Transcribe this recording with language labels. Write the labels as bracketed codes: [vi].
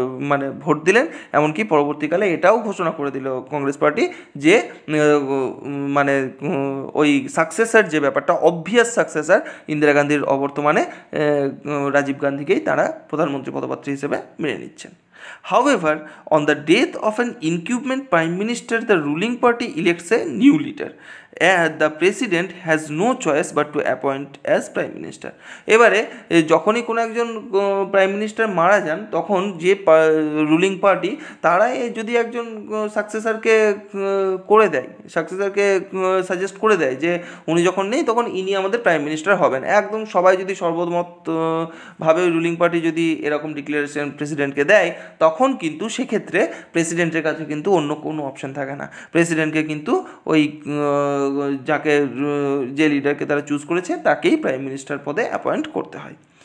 [bn] মানে ভোট দিলেন, এমনকি পরবর্তীকালে এটাও ঘোষণা করে দিল কংগ্রেস পার্টি যে মানে ওই সাকসেসার যে ব্যাপারটা অবভিয়াস সাকসেসার ইন্দিরা গান্ধীর অবর্তমানে রাজীব গান্ধীকেই তারা প্রধানমন্ত্রী পদপ্রার্থী হিসেবে মেনে নিচ্ছেন। [en] However, on the death of an incumbent prime minister, the ruling party elects a new leader. And the president has no choice but to appoint as prime minister. [bn] এবারে যখনই কোনো একজন প্রাইম মিনিস্টার মারা যান, তখন যে রুলিং পার্টি তারাই যদি একজন সাকসেসরকে করে দেয়, সাকসেসরকে সাজেস্ট করে দেয় যে উনি যখন নেই তখন ইনি আমাদের প্রাইম মিনিস্টার হবেন, একদম সবাই যদি সর্বমতভাবে রুলিং পার্টি যদি এরকম ডিক্লারেশন প্রেসিডেন্টকে দেয়, তখন কিন্তু সেক্ষেত্রে প্রেসিডেন্টের কাছে কিন্তু অন্য কোনো অপশন থাকে না, প্রেসিডেন্টকে কিন্তু ওই যাকে যে লিডারকে তারা চুজ করেছে তাকেই প্রাইম মিনিস্টার পদে অ্যাপয়েন্ট করতে হয়।